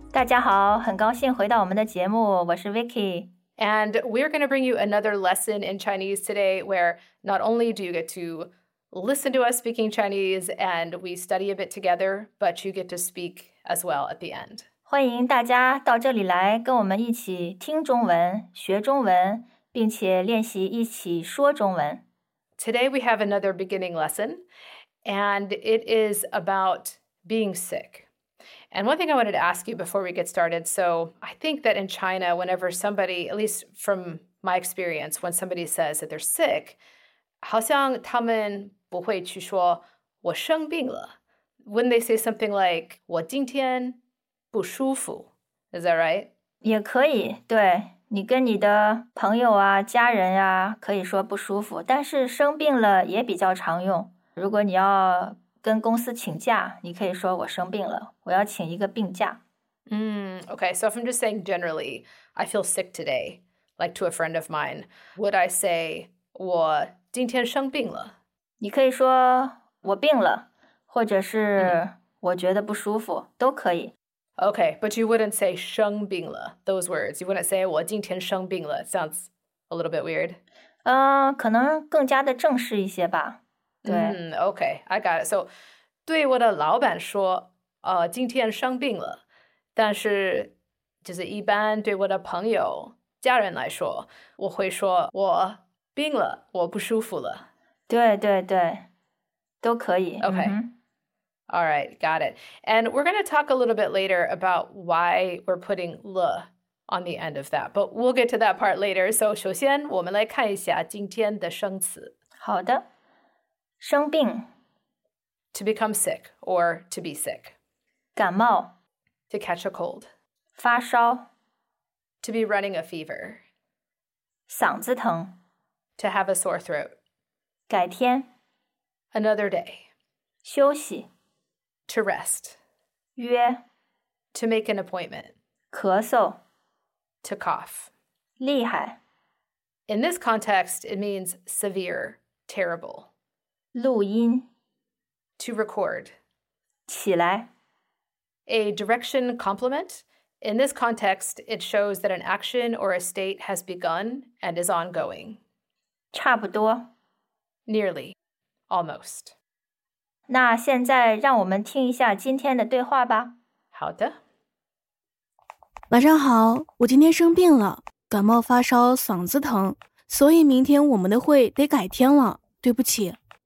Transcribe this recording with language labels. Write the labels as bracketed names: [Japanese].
[Chinese] 大家好，很高兴回到我们的节目。我是 Vicky. [English] And we're going to bring you another lesson in Chinese today, where not only do you get to listen to us speaking Chinese and we study a bit together, but you get to speak as well at the end. [Chinese] 欢迎大家到这里来跟我们一起听中文、学中文，并且练习一起说中文。 [English] Today we have another beginning lesson, and it is about being sick. And one thing I wanted to ask you before we get started, so I think that in China, whenever somebody, at least from my experience, when somebody says that they're sick, [Chinese] 好像他们不会去说我生病了。 [English] When they say something like [Chinese] 我今天不舒服, [English] is that right? [Chinese] 也可以,对。你跟你的朋友啊,家人啊,可以说不舒服,但是生病了也比较常用。如果你要跟公司请假,你可以说我生病了,我要请一个病假。 [English] Okay, so if I'm just saying generally, I feel sick today, like to a friend of mine, would I say [Chinese] 我今天生病了? 你可以说我病了,或者是我觉得不舒服,都可以。 [English] Okay, but you wouldn't say [Chinese] 生病了, [English] those words. You wouldn't say [Chinese] 我今天生病了. [English] It sounds a little bit weird. [Chinese] 可能更加的正式一些吧。对。 [English] Okay, I got it. [Chinese] So, 对我的老板说,今天生病了。但是,就是一般对我的朋友、家人来说,我会说我病了,我不舒服了。对对对,都可以。 [English] Okay. Mm-hmm. All right, got it. And we're going to talk a little bit later about why we're putting 了 on the end of that, but we'll get to that part later. [Chinese] So 首先我们来看一下今天的生词。好的。生病。 [English] To become sick or to be sick. [Chinese] 感冒。 [English] To catch a cold. [Chinese] 发烧。 [English] To be running a fever. [Chinese] 嗓子疼。 [English] To have a sore throat. [Chinese] 改天。 [English] Another day. [Chinese] 休息。 [English] To rest. [Chinese] 约 [English] To make an appointment. [Chinese] 咳嗽 [English] To cough. [Chinese] 厉害 [English] In this context, it means severe, terrible. [Chinese] 录音 [English] To record. [Chinese] 起来 [English] A direction complement. In this context, it shows that an action or a state has begun and is ongoing. [Chinese] 差不多 [English] Nearly. Almost. [Chinese] 那现在让我们听一下今天的对话吧。好的。晚上好，我今天生病了，感冒发烧，嗓子疼，所以明天我们的会得改天了，对不起。